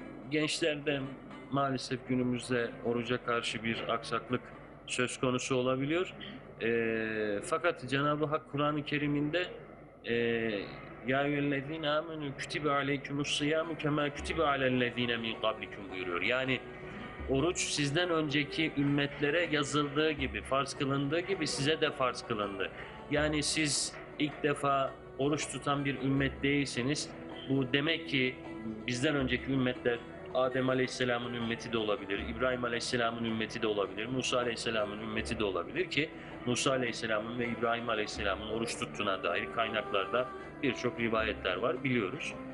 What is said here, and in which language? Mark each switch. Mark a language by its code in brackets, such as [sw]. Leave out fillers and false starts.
[tr] Gençlerde maalesef günümüzde oruca karşı bir aksaklık söz konusu olabiliyor. Fakat Cenab-ı Hak Kur'an-ı Kerim'inde [ar] يَا يَلَّذ۪ينَ آمَنُوا كُتِبَ عَلَيْكُمُ السِّيَامُ كَمَا كُتِبَ عَلَى الَّذ۪ينَ مِنْ قَبْلِكُمْ [tr] buyuruyor. Yani oruç sizden önceki ümmetlere yazıldığı gibi, farz kılındığı gibi size de farz kılındı. Yani siz ilk defa oruç tutan bir ümmet değilsiniz. Bu demek ki bizden önceki ümmetler, Adem Aleyhisselam'ın ümmeti de olabilir, İbrahim Aleyhisselam'ın ümmeti de olabilir, Musa Aleyhisselam'ın ümmeti de olabilir ki Musa Aleyhisselam'ın ve İbrahim Aleyhisselam'ın oruç tuttuğuna dair kaynaklarda birçok rivayetler var, biliyoruz.